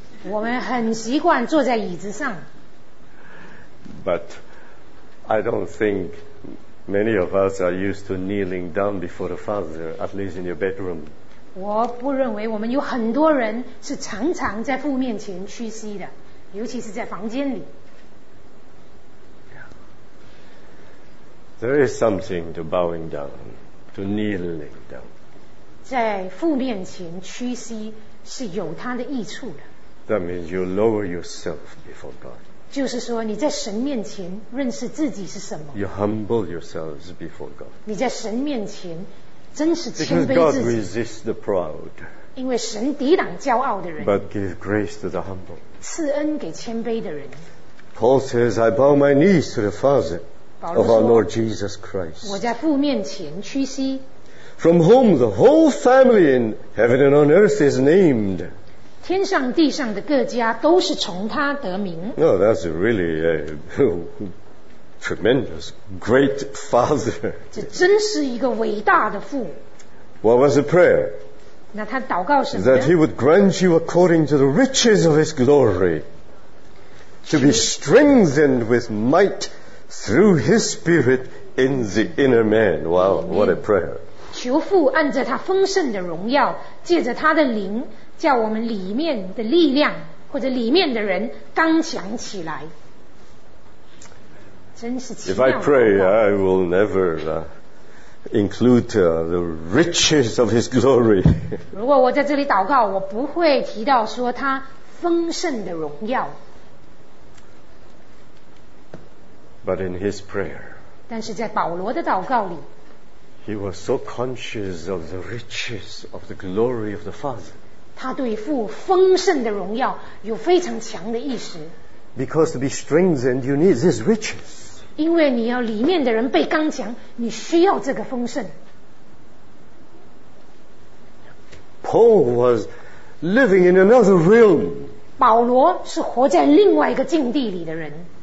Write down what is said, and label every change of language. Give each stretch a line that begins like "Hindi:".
Chinese: 我们很习惯坐在椅子上。
English: But I don't think many of us are used to kneeling down before the Father, at least in your bedroom.
Chinese: 我不认为我们有很多人是常常在父面前屈膝的，尤其是在房间里。
English: There is something to bowing down. To kneeling down.
Chinese: 在父面前屈膝是有它的益处的。
English: That means you lower yourself before God.
Chinese: 就是说你在神面前认识自己是什么。
English: You humble yourselves before God.
Chinese: 你在神面前真是谦卑自己。
English: Because God resists the proud.
Chinese: 因为神抵挡骄傲的人。
English: But give grace to the humble.
Chinese: 赐恩给谦卑的人。
English: Paul says, I bow my knees to the Father. Of our Lord Jesus Christ.
Chinese: 我在父面前屈膝。
English: From whom the whole family in heaven and on earth is named.
Chinese: 天上地上的各家都是从他得名。
English: No, that's really a tremendous great father.
Chinese: 这真是一个伟大的父。
English: What was the prayer?
Chinese: 那他祷告什么呢？
English: That he would grant you according to the riches of his glory to be strengthened with might through his spirit in the inner man. Wow, what a prayer.
Chinese: 求父按着他丰盛的荣耀，借着他的灵，叫我们里面的力量，或者里面的人刚强起来。真是奇妙。
English: If I pray, I will never include the riches of his glory.
Chinese: 如果我在这里祷告，我不会提到说他丰盛的荣耀。
English: But in his prayer,
Chinese: 但是在保罗的祷告里，
English: he was so conscious of the riches of the glory of the Father.
Chinese: 他对父丰盛的荣耀有非常强的意识。
English: Because to be strengthened, you need these riches.
Chinese: 因为你要里面的人被刚强，你需要这个丰盛。
English: Paul was living in another realm.
Chinese: 保罗是活在另外一个境地里的人。